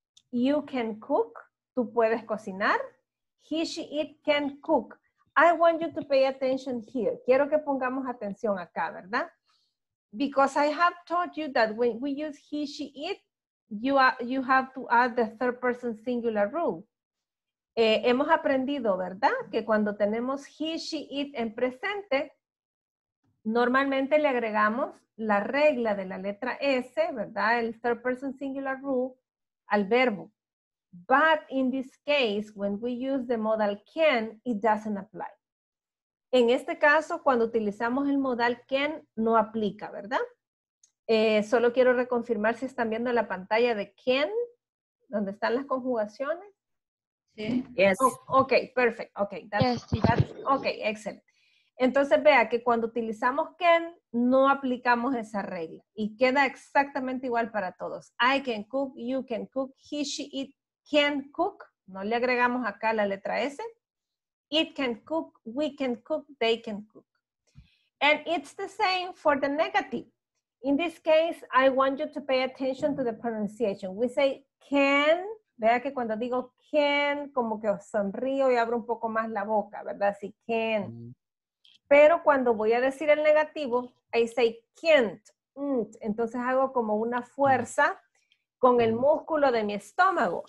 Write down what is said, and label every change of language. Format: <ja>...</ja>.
<en>You can cook.</en> <es>Tú puedes cocinar.</es> <en>He, she, it can cook. I want you to pay attention here.</en> <es>Quiero que pongamos atención acá, ¿verdad?</es> <en>Because I have taught you that when we use he, she, it, you have to add the third person singular rule.</en> <es>Hemos aprendido, ¿verdad? Que cuando tenemos he, she, it en presente, normalmente le agregamos la regla de la letra S, ¿verdad? El third person singular rule al verbo.</es> <en>But in this case, when we use the modal can, it doesn't apply.</en> <es>En este caso, cuando utilizamos el modal can, no aplica, ¿verdad? Solo quiero reconfirmar si están viendo la pantalla de can, donde están las conjugaciones. Sí.</es> <en>Yes. Oh, ok, perfect. Ok, excellent.</en> <es>Entonces vea que cuando utilizamos can, no aplicamos esa regla. Y queda exactamente igual para todos.</es> <en>I can cook, you can cook, he, she, it can cook.</en> <es>No le agregamos acá la letra S.</es> <en>It can cook, we can cook, they can cook. And it's the same for the negative. In this case, I want you to pay attention to the pronunciation. We say can.</en> <es>Vea que cuando digo can, como que sonrío y abro un poco más la boca, ¿verdad? Así, can. Pero cuando voy a decir el negativo,</es> <en>I say can't.</en> <es>Entonces hago como una fuerza con el músculo de mi estómago.</es>